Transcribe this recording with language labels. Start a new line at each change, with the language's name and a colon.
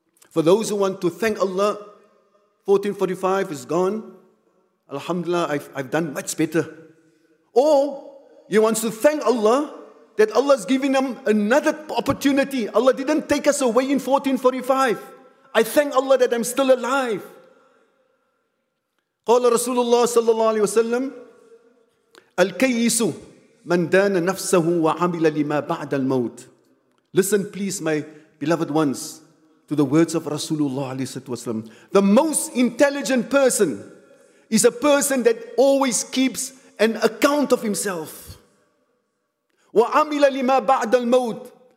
English: For those who want to thank Allah, 1445 is gone. Alhamdulillah, I've done much better. Or, he wants to thank Allah that Allah's given him another opportunity. Allah didn't take us away in 1445. I thank Allah that I'm still alive.
Arabic: قال رسول الله صلى الله عليه وسلم الكيس من دان نفسه وعمل لما بعد الموت.
English: Listen please, my beloved ones, to the words of Rasulullah
Arabic: عليه وسلم.
English: The most intelligent person is a person that always keeps an account of himself.
Arabic: وَعَمِلَ لِمَا بَعْدَ الْمَوْتِ.